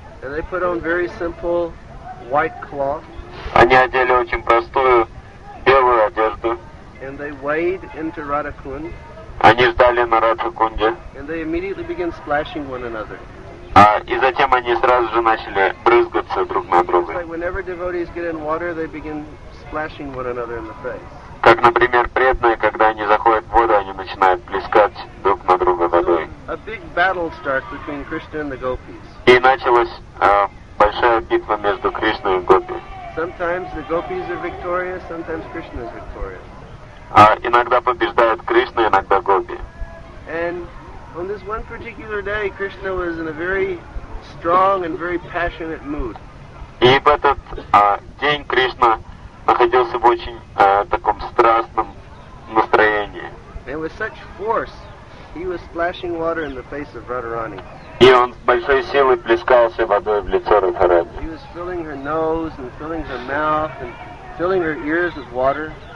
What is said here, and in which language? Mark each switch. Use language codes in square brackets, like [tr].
[en] And they put on very simple white cloth. [ru] Они одели очень простую, белую одежду. [en] And they wade into Radhakund. [ru] Они ждали на Радхакунде. [en] And they immediately begin splashing one another. [ru] А, и затем они сразу же начали брызгаться друг на друга. [en] Like whenever devotees get in water, they begin splashing one another in the face. [ru] Как, например, преданные, когда они заходят в воду, они начинают плескать друг на друга водой. [en] So a big battle starts between Krishna and the gopis. [ru] И началась большая битва между Кришной и гопи. [en] Sometimes the gopis are victorious, sometimes Krishna is victorious. [ru] А иногда побеждают Кришна, иногда гопи. [en] And on this one particular day, Krishna was in a very strong and very passionate mood. [ru] И в этот день Кришна находился в очень таком страстном настроении. [en] And with such force, he was splashing water in the face of Radharani. [ru] И он с большой силой плескался водой в лицо Радхарани. [en] He was filling her nose and filling her mouth and filling her ears with water.